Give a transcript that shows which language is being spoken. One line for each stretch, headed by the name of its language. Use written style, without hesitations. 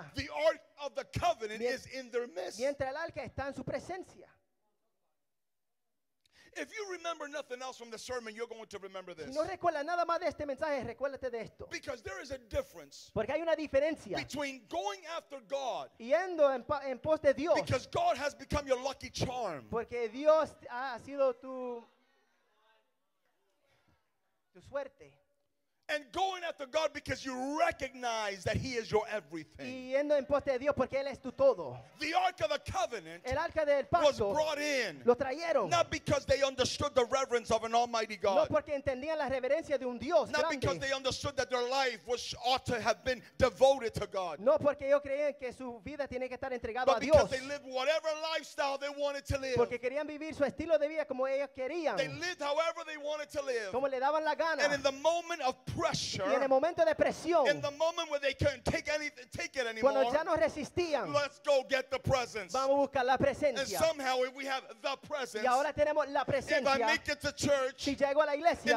English: While the Ark of the Covenant is in their midst.
Spanish: Mientras el arca está en su presencia.
English: If you remember nothing else from the sermon, you're going to remember this.
Spanish: Si no recuerda nada más de este mensaje, recuérdate de esto.
English: Because there is a difference.
Spanish: Porque hay una diferencia.
English: Between going after God.
Spanish: Yendo en pos de Dios.
English: Because God has become your lucky charm.
Spanish: Porque Dios ha sido tu suerte.
English: And going after God because you recognize that He is your everything.
Spanish: Yendo en pos de Dios porque Él es tu todo.
English: The Ark of the Covenant,
Spanish: el arca del pacto,
English: was brought in.
Spanish: Lo trajeron.
English: Not because they understood the reverence of an Almighty God.
Spanish: No porque entendían la reverencia de un Dios
English: grande. Not because they understood that their life was ought to have been devoted to God.
Spanish: No porque ellos creían que su vida tiene que estar entregada a Dios.
English: But because they lived whatever lifestyle they wanted to live.
Spanish: Porque querían vivir su estilo de vida como ellos querían.
English: They lived however they wanted to live.
Spanish: Como le daban la gana.
English: And in the moment of pressure, in the moment where they couldn't take it anymore,
Spanish: cuando ya no resistían,
English: let's go get the presence.
Spanish: Vamos a buscar la presencia.
English: And somehow if we have the presence,
Spanish: y ahora tenemos la presencia,
English: if I make it to church,
Spanish: si llego a la iglesia,